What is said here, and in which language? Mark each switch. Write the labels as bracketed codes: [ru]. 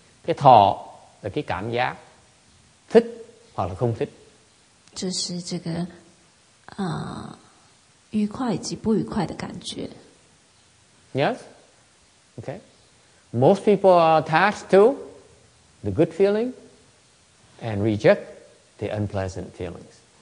[vi] 这thọ là cái cảm giác thích hoặc là không thích. [zh] 这是这个, 愉快及不愉快的感觉. [en] Yes. Okay. Most people are attached to the good feeling and reject the unpleasant feelings.